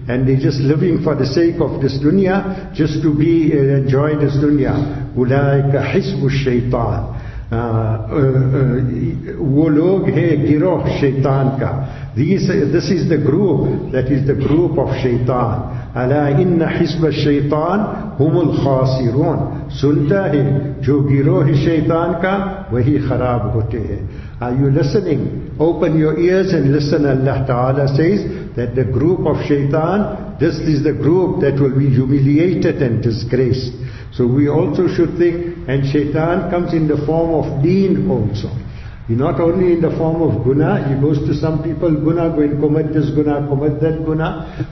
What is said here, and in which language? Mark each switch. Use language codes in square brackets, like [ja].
[en] And they're just living for the sake of this dunya, just to be enjoy this dunya. [ar] أُولَٰئِكَ حِسْبُ الشَّيْطَانِ. [ur] وہ لوگ ہے گروہ شیطان کا. [en] This is the group, that is the group of شیطان. [ar] الا ان حزب الشیطان هم الخاسرون. [ur] سنتا ہے جو گروہ شیطان کا وہی خراب ہوتے ہیں. [en] Are you listening? Open your ears and listen. Allah Ta'ala says that the group of شیطان, this is the group that will be humiliated and disgraced. So we also should think, and shaitan comes in the form of deen also. Not only in the form of guna, he goes to some people, guna, going, commit this guna, commit that guna.